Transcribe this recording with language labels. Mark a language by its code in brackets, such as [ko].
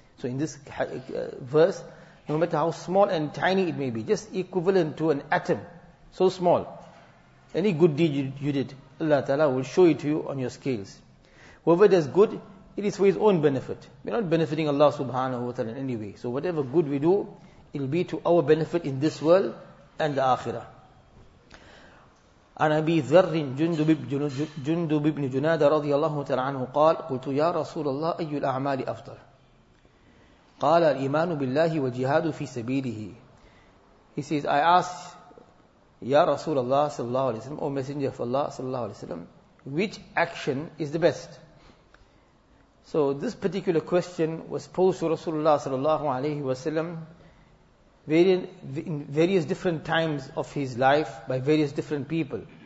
[en] So in this verse, no matter how small and tiny it may be, just equivalent to an atom, so small. Any good deed you did, Allah Ta'ala will show it to you on your scales. Whoever does good, it is for his own benefit. We're not benefiting Allah subhanahu wa ta'ala in any way. So whatever good we do, it'll be to our benefit in this world and the akhirah. [ar] عن أبي ذر جندب بن جنادة رضي الله تعالى عنه قال قلت يا رسول الله أي الأعمال أفضل قال الإيمان بالله والجهاد في سبيله. [en] He says, I asked [ar] يا رسول الله صلى الله عليه وسلم, [en] O Messenger of Allah صلى الله عليه وسلم, which action is the best? So this particular question was posed to [ar] رسول الله صلى الله عليه وسلم [en] in various different times of his life by various different people.